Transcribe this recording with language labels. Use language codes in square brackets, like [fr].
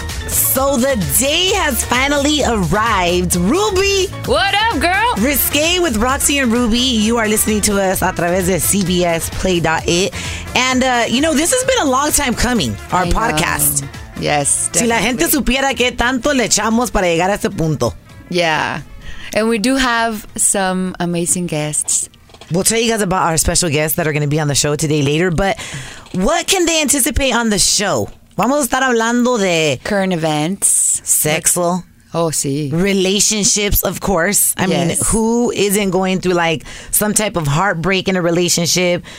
[en] So the day has finally arrived. Ruby! What up, girl? Risqué with Roxy and Ruby. You are listening to us [es] a través de [en] CBS Play.it. And, you know, this has been a long time coming, our podcast. Yes, definitely. [es] Si la gente supiera qué tanto le echamos para llegar a este punto. [en] Yeah. And we do have some amazing guests. We'll tell you guys about our special guests that are going to be on the show today later. But what can they anticipate on the show? [es] Vamos a estar hablando de... [en] current events. Sexual. Like, [es] oh, sí. [en] Relationships, of course. I mean, who isn't going through, like, some type of heartbreak in a relationship?